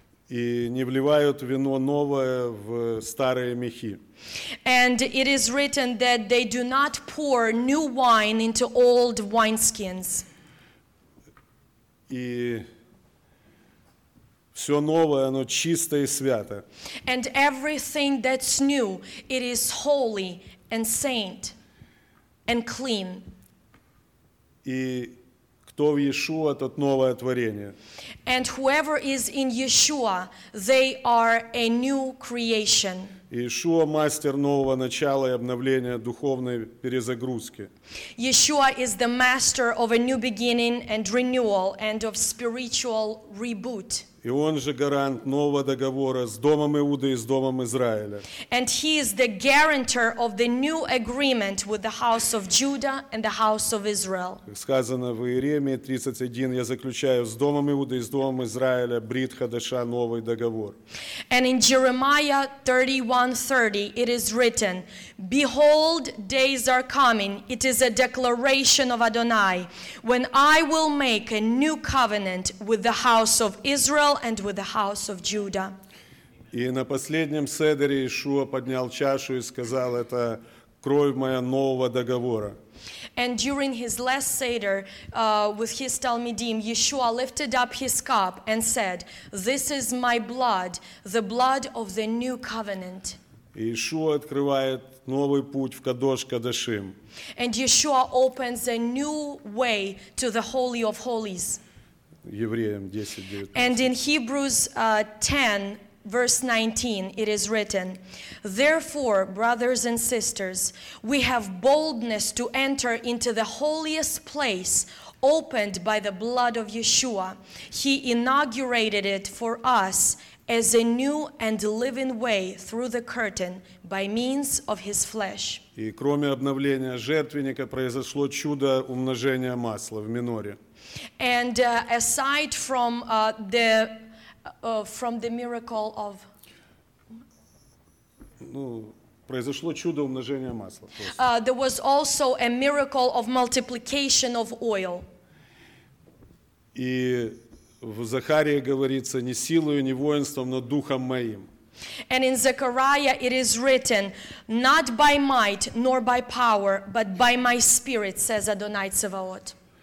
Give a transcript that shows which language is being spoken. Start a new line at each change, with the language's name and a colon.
Russian: И не вливают вино новое в старые мехи.
English: And it is written that they do not pour new wine into old wineskins.
Russian: И все новое, оно чисто и свято.
English: And everything that's new, it is holy and saint and clean.
Russian: И кто в Иешуа, тот новое творение.
English: And whoever is in Yeshua, they are a new creation.
Russian: Иешуа – мастер нового начала и обновления духовной перезагрузки.
English: Yeshua is the master of a new beginning and renewal and of spiritual reboot.
Russian: И он же гарант нового договора с домом Иуды и с домом Израиля.
English: And he is the guarantor of the new agreement with the house of Judah and the house of Israel.
Russian: Как сказано в Иеремии 31, я заключаю с домом Иуды и с домом Израиля брит хадаша, новый договор.
English: And in Jeremiah 31:30 it is written, behold, days are coming, it is a declaration of Adonai, when I will make a new covenant with the house of Israel and with the house of Judah.
Russian: И на последнем седере Иешуа поднял чашу и сказал: это кровь моя нового договора.
English: And during his last seder with his talmidim, Yeshua lifted up his cup and said, this is my blood, the blood of the new covenant.
Russian: Иешуа открывает новый путь в Кадош Кадашим.
English: And Yeshua opens a new way to the Holy of Holies.
Russian: Евреям 10:19.
English: And in Hebrews 10, verse 19, it is written, therefore, brothers and sisters, we have boldness to enter into the holiest place opened by the blood of Yeshua. He inaugurated it for us as a new and living way through the curtain by means of his flesh.
Russian: И кроме обновления жертвенника произошло чудо умножения масла в миноре.
English: And aside from the miracle of,
Russian: ну, произошло чудо умножения масла.
English: There was also a miracle of multiplication of oil.
Russian: И в Захарии говорится: не силою, не воинством, но духом моим.
English: And in Zechariah it is written, not by might nor by power, but by my spirit, says Adonai Tzevaot.